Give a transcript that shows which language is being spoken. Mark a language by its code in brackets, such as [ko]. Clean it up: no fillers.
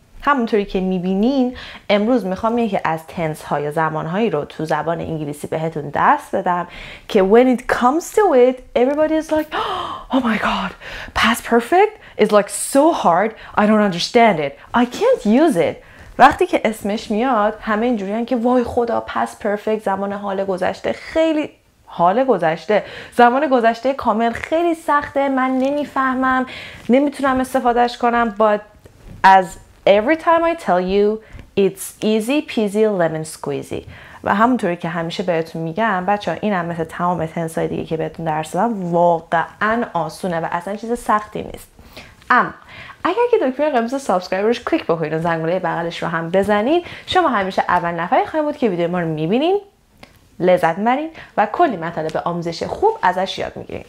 [fa] همونطوری که میبینین امروز میخوام یکی از تنس ها یا زمان هایی رو تو زبان انگلیسی بهتون درس بدم که [en] when it comes to it everybody is like oh my god past perfect is like so hard I don't understand it I can't use it. [fa] وقتی که اسمش میاد همه اینجوری هم که وای خدا past perfect زمان حال گذشته خیلی حال گذشته زمان گذشته کامل خیلی سخته، من نمیفهمم، نمیتونم استفادهش کنم. [en] But as every time I tell you it's easy peasy lemon squeezy. [fa] و همونطوری که همیشه بهتون میگم بچه ها، این هم مثل تمام تنسای دیگه که بهتون درس دادم واقعا آسونه و اصلا چیز سختی نیست. اما اگر که دکمه قرمز سابسکرایبرش کلیک بکنید و زنگوله بغلش رو هم بزنید، شما همیشه اول نفری خواهید بود که ویدیو ما رو میبینین، لذت می‌برین و کلی مطالب آموزش خوب ازش یاد می‌گیرین.